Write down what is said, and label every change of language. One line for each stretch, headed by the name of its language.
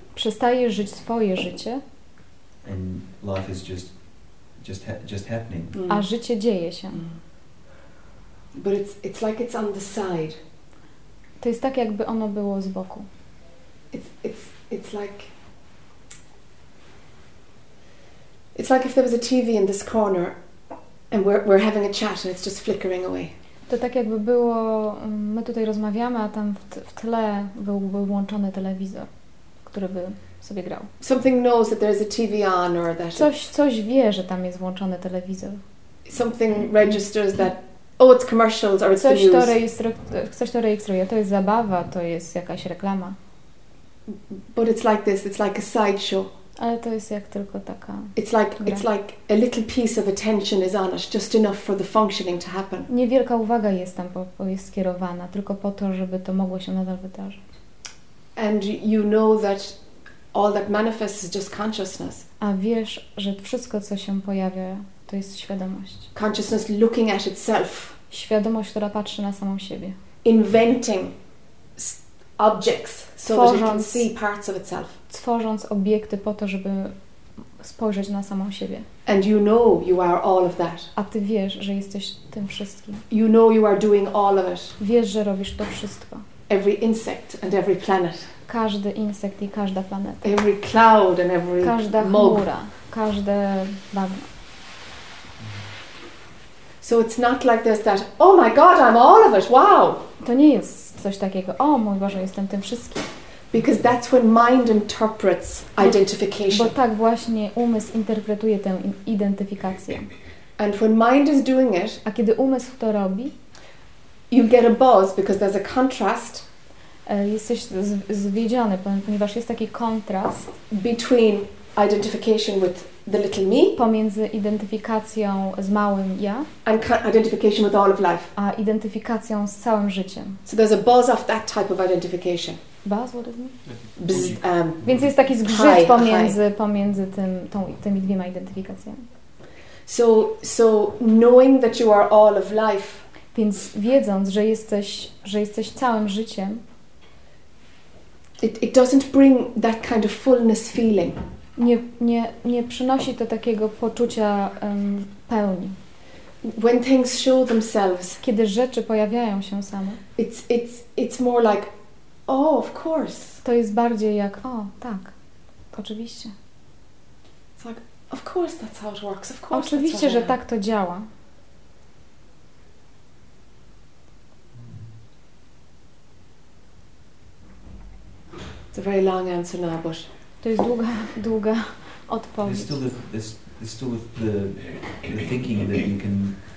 Polish: Przestajesz żyć swoje życie.
English: And life is just happening.
Polish: Mm. A życie dzieje się.
English: Mm. But it's like it's on the side.
Polish: To jest tak, jakby ono było z boku.
English: It's like. It's like if there was a TV in this corner and we're having a chat and it's just flickering away.
Polish: To tak jakby było, my tutaj rozmawiamy, a tam w tle byłby włączony telewizor, który by sobie grał.
English: Something knows that there is a TV on or that.
Polish: Coś wie, że tam jest włączony telewizor.
English: Something registers that, oh, it's commercials or it's the news.
Polish: Coś to rejestruje, to jest zabawa, to jest jakaś reklama.
English: But it's like this, it's like a sideshow.
Polish: Ale to jest jak tylko taka.
English: It's like a little piece of attention is on us, just enough for the functioning to happen.
Polish: Niewielka uwaga jest tam jest skierowana, tylko po to, żeby to mogło się nadal wydarzyć.
English: And you know that all that manifests is just consciousness.
Polish: A wiesz, że wszystko, co się pojawia, to jest świadomość.
English: Consciousness looking at itself.
Polish: Świadomość, która patrzy na samą siebie.
English: Inventing objects so that it can see parts of itself.
Polish: Tworząc obiekty po to, żeby spojrzeć na samą siebie.
English: And you know you are all of that.
Polish: A ty wiesz, że jesteś tym wszystkim.
English: You know you are doing all of it.
Polish: Wiesz, że robisz to wszystko.
English: Every insect and every planet.
Polish: Każdy insekt i każda planeta.
English: Every cloud and every mug.
Polish: Każda chmura, każde bagno.
English: So it's not like there's that, oh my God, I'm all of it, wow!
Polish: To nie jest coś takiego, o mój Boże, jestem tym wszystkim.
English: Because that's when mind interprets identification.
Polish: Bo tak właśnie umysł interpretuje tę identyfikację.
English: And when mind is doing it,
Polish: a kiedy umysł to robi,
English: you get a buzz because there's a contrast.
Polish: Jesteś zwiedziony, ponieważ jest taki kontrast
English: between identification with the little me,
Polish: pomiędzy identyfikacją z małym ja,
English: and identification with all of life,
Polish: a identyfikacją z całym życiem.
English: So there's a buzz of that type of identification. Buzz, what is it?
Polish: Więc jest taki zgrzyt pomiędzy tymi dwiema identyfikacjami.
English: So knowing that you are all of life.
Polish: Więc wiedząc, że jesteś całym życiem.
English: It doesn't bring that kind of fullness feeling.
Polish: Nie przynosi to takiego poczucia pełni.
English: When things show themselves.
Polish: Kiedy rzeczy pojawiają się same.
English: It's more like, oh, of course.
Polish: To jest bardziej jak, o, tak, oczywiście.
English: It's like, of course that's how it works, of course.
Polish: Oczywiście, że tak to działa.
English: It's a very long answer now, but
Polish: to jest długa, długa odpowiedź.
English: There's still the thinking that you can.